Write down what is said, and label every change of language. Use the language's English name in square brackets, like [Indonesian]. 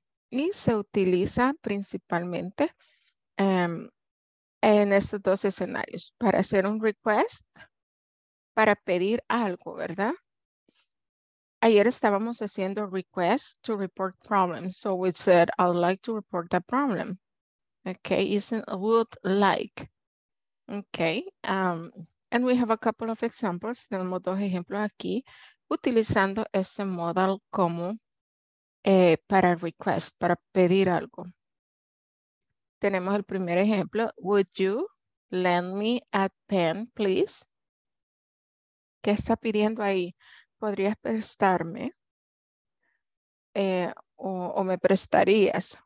[Spanish] Y se utiliza principalmente en estos dos escenarios. Para hacer un request, para pedir algo, ¿verdad? Ayer estábamos haciendo requests [English] to report problems. So we said, I would like to report a problem. Okay, isn't would like. Okay, and we have a couple of examples. [Spanish] Tenemos dos ejemplos aquí utilizando este modal como para request, para pedir algo. Tenemos el primer ejemplo. [English] Would you lend me a pen, please? [Spanish] ¿Qué está pidiendo ahí? ¿Podrías prestarme o me prestarías?